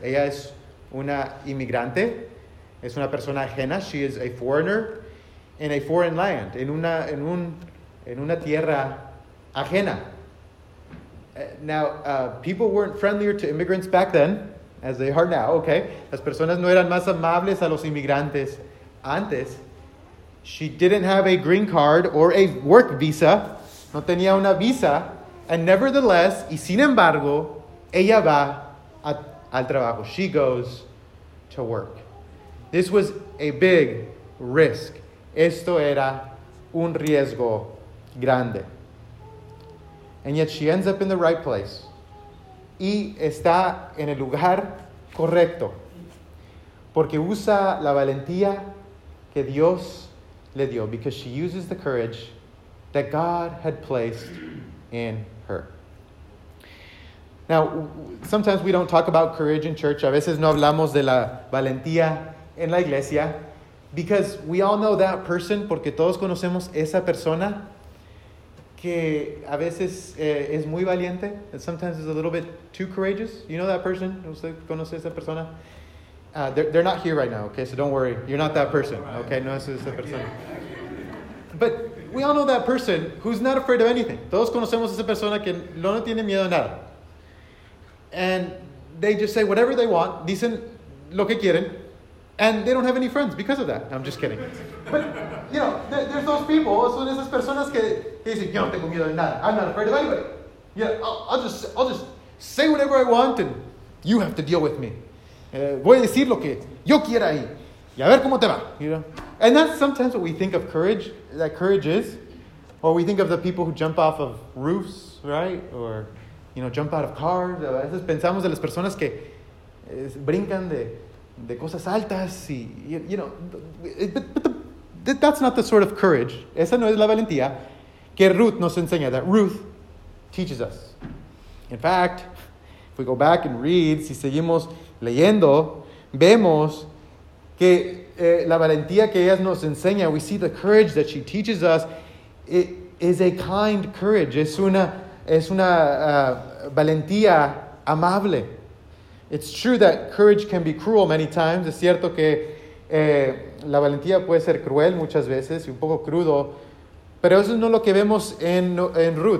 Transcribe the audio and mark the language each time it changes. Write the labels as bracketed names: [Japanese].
[Spanish] Ella es una inmigrante. Es una persona ajena. [English] She is a foreigner in a foreign land. [Spanish] En una tierra ajena. [English] Now, people weren't friendlier to immigrants back then, as they are now, okay? [Spanish] Las personas no eran más amables a los inmigrantes antes. [English] She didn't have a green card or a work visa. [Spanish] No tenía una visa. [English] And nevertheless, [Spanish] y sin embargo, ella va al trabajo. [English] She goes to work. This was a big risk. [Spanish] Esto era un riesgo grande. [English] And yet she ends up in the right place. [Spanish] Y está en el lugar correcto. Porque usa la valentía que Dios le dio. [English] Because she uses the courage that God had placed in her. Now, sometimes we don't talk about courage in church. [Spanish] A veces no hablamos de la valentía en la iglesia. [English] Because we all know that person. [Spanish] Porque todos conocemos esa persona que a veces es muy valiente, [English] and sometimes is a little bit too courageous. You know that person? [Spanish] ¿Usted conoce esa persona? [English] They're not here right now, okay? So don't worry. You're not that person, okay? [Spanish] No, eso es esa persona. [English] But we all know that person who's not afraid of anything. [Spanish] Todos conocemos a esa persona que no tiene miedo a nada. [English] And they just say whatever they want, [Spanish] dicen lo que quieren, [English] and they don't have any friends because of that. I'm just kidding. But, you know, there's those people, [Spanish] son esas personas que dicen, yo no tengo miedo a nada. [English] I'm not afraid of anybody. Yeah, I'll just say whatever I want, and you have to deal with me. [Spanish] Voy a decir lo que yo quiera ahí. Y a ver cómo te va. [English] You know? And that's sometimes what we think of courage, that courage is. Or we think of the people who jump off of roofs, right? Or, you know, jump out of cars. [Spanish] A veces pensamos de las personas que brincan de cosas altas. [English] Y, you know, but that's not the sort of courage. [Spanish] Esa no es la valentía que Ruth nos enseña, [English] that Ruth teaches us. In fact, if we go back and read, [Spanish] si seguimos leyendo, vemos que la valentía que ella nos enseña, [English] we see the courage that she teaches us, is a kind courage. [Spanish] Es una valentía amable. [English] It's true that courage can be cruel many times. [Spanish] Es cierto que la valentía puede ser cruel muchas veces y un poco crudo. Pero eso no es lo que vemos en Ruth.